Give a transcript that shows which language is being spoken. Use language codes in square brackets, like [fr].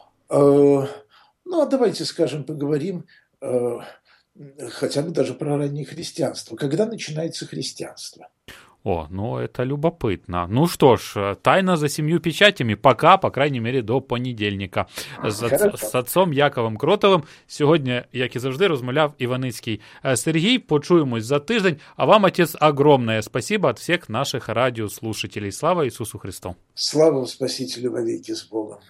[ru] Ну, а давайте, скажем, поговорим хотя бы даже про раннее христианство. Когда начинается христианство? О, ну это любопытно. Ну что ж, тайна за семью печатями. Пока, по крайней мере, до понедельника. С отцом Яковом Кротовым [uk] сьогодні, як і завжди, розмовляв Іваницький Сергій. Почуємось за тиждень. [ru] А вам, отец, огромное спасибо от всех наших радіослушателей. [uk] Слава Ісусу Христу! [ru] Слава Спасителю вовеки, с Богом!